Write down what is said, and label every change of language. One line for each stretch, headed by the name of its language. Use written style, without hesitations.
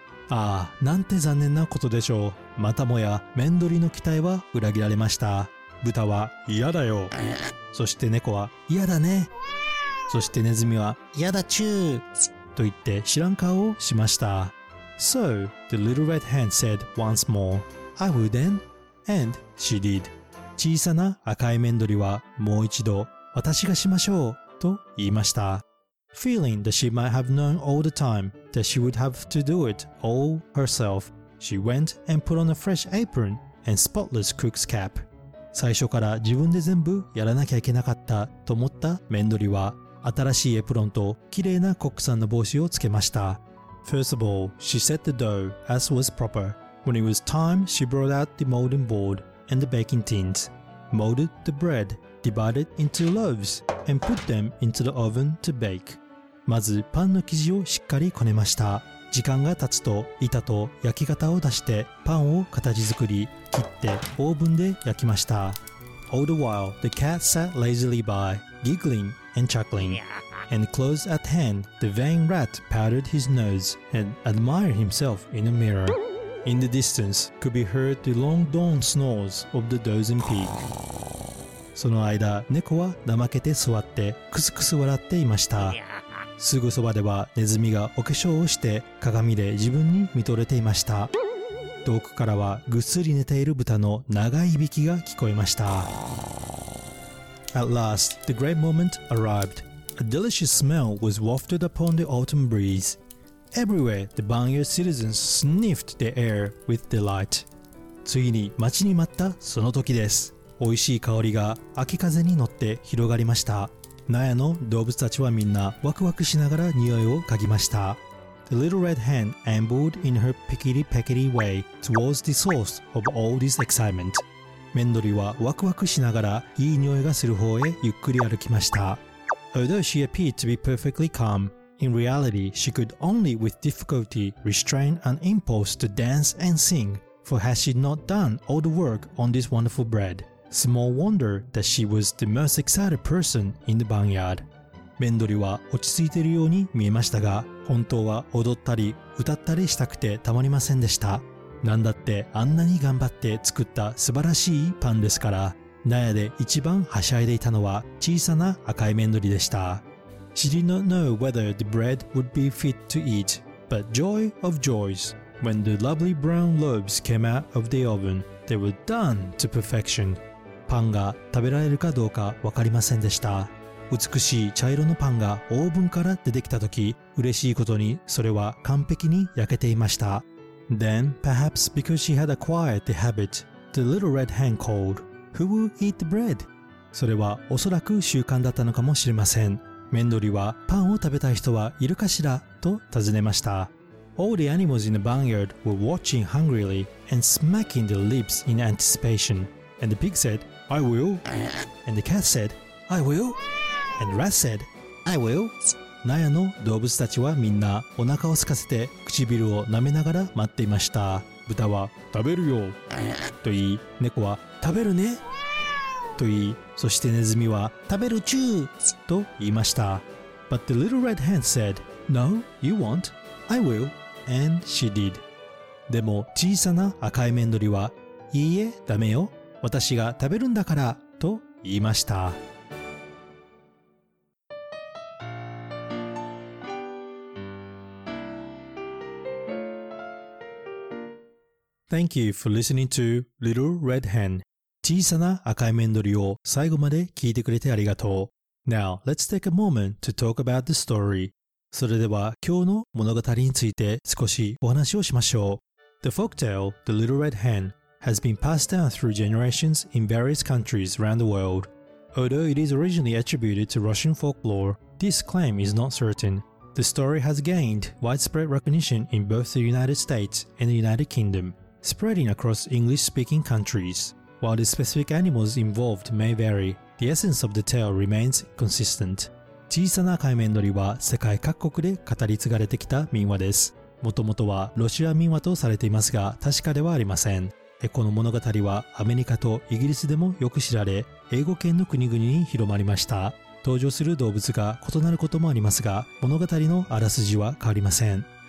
Japanese: ああ、なんて残念なことでしょう。またもや、メンドリの期待は裏切られました。豚は、嫌だよ。そして猫は、嫌だね。そしてネズミは、嫌だチュー。と言って知らん顔をしました。
English: So, the little red hen said once more, I will then, and she did.
Japanese: 小さな赤い麺鳥はもう一度、私がしましょうと言いました。
English: Feeling that she might have known all the time that she would have to do it all herself, she went and put on a fresh apron and spotless cook's cap.
Japanese: 最初から自分で全部やらなきゃいけなかったと思った麺鳥は、新しいエプロンと綺麗なコックさんの帽子をつけました。
English: First of all, she set the dough as was proper. When it was time, she brought out the molding board and the baking tins, molded the bread, divided into loaves, and put them into the oven to bake.
Japanese: まずパンの生地をしっかりこねました。時間が経つと板と焼き型を出してパンを形作り、切ってオーブンで焼きました。
English: All the while, the cat sat lazily by, giggling and chuckling. And close at hand, the vain rat powdered his nose and admired himself in a mirror. In the distance, could be heard the long-drawn snores of the dozing pig.
Japanese: その間、猫は怠けて座って、クスクス笑っていました。すぐそばでは、ネズミがお化粧をして、鏡で自分に見とれていました。遠くからはぐっすり寝ている豚の長いいびきが聞こえました。
English: At last, the great moment arrived. A delicious smell was wafted upon the autumn breeze. Everywhere, the Banyu citizens sniffed the air with delight.
Japanese: ついに待ちに待ったその時です。おいしい香りが秋風に乗って広がりました。納屋の動物たちはみんなワクワクしながら匂いを嗅ぎました。
English: The little red hen ambled in her pickety-peckety way towards the source of all this excitement.
Japanese: メンドリはワクワクしながらいい匂いがする方へゆっくり歩きました。
English: Although she appeared to be perfectly calm, in reality she could only with difficulty restrain an impulse to dance and sing, for had she not done all the work on this wonderful bread. Small wonder that she was the most excited person in the barnyard.
Japanese: メンドリは落ち着いているように見えましたが、本当は踊ったり歌ったりしたくてたまりませんでした。なんだってあんなに頑張って作った素晴らしいパンですから、納屋で一番はしゃいでいたのは小さな赤いメンドリでした。
English: She did not know whether the bread would be fit to eat, but joy of joys, when the lovely brown loaves came out of the oven, they were done to perfection.
Japanese: パンが食べられるかどうかわかりませんでした。美しい茶色のパンがオーブンから出てきたとき、嬉しいことにそれは完璧に焼けていました。
English: Then, perhaps because she had acquired the habit, the little red hen called, Who will eat the bread?
Japanese: それはおそらく習慣だったのかもしれません。メンドリは、パンを食べたい人はいるかしらと尋ねました。
English: All the animals in the barnyard were watching hungrily and smacking their lips in anticipation. And the pig said, I will. And the cat said, I will. And rat said, I will.
Japanese: 納屋の動物たちはみんなお腹を空かせて唇を舐めながら待っていました。豚は食べるよと言い、猫は食べるねと言い、そしてネズミは食べるチューと言いました。
English: But the little red hen said, No, you won't. I will. And she did.
Japanese: でも小さな赤いメンドリは、いいえ、ダメよ。私が食べるんだからと言いました。
English: Thank you for listening to Little Red Hen.
Japanese: 小さな赤いメンドリを最後まで聞いてくれてありがとう。
English: Now, let's take a moment to talk about the story.
Japanese: それでは今日の物語について少しお話をしましょう。
English: The folktale, The Little Red Hen, has been passed down through generations in various countries around the world. Although it is originally attributed to Russian folklore, this claim is not certain. The story has gained widespread recognition in both the United States and the United Kingdom. Spreading across English-speaking countries. While the specific animals involved may vary, the essence of the tale remains consistent.
Japanese: 小さな赤いメンドリは世界各国で語り継がれてきた民話です。もともとはロシア民話とされていますが、確かではありません。この物語はアメリカとイギリスでもよく知られ、英語圏の国々に広まりました。登場する動物が異なることもありますが、物語のあらすじは変わりません。